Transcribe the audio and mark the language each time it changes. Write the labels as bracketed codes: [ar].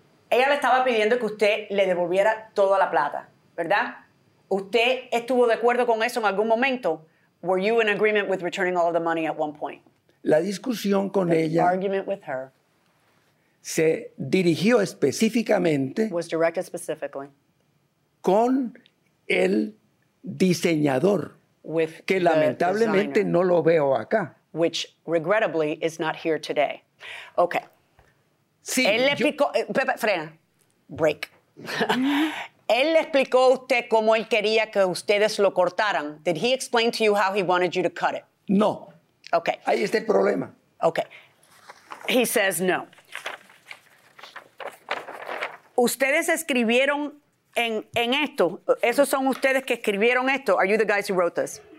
[es] Ella le estaba pidiendo que usted le devolviera toda la plata, ¿verdad? ¿Usted estuvo de acuerdo con eso en algún momento? [en] Were you in agreement with returning all the money at one point? [es] La discusión con ella... [en] The argument with her... [es] Se dirigió específicamente... [en] Was directed specifically. [es] Con el diseñador... [en] With [es] que lamentablemente [en] designer, [es] no lo veo acá. [en] Which, regrettably, is not here today. Okay. [es] Sí, él le explicó... frena. [en] Break. [es] Él le explicó a usted cómo él quería que ustedes lo cortaran. [en] Did he explain to you how he wanted you to cut it? [es] No. [en] Okay. [es] Ahí está el problema. [en] Okay. He says no. [es] ustedes escribieron en esto. Esos son ustedes que escribieron esto. [en] Are you the guys who wrote this?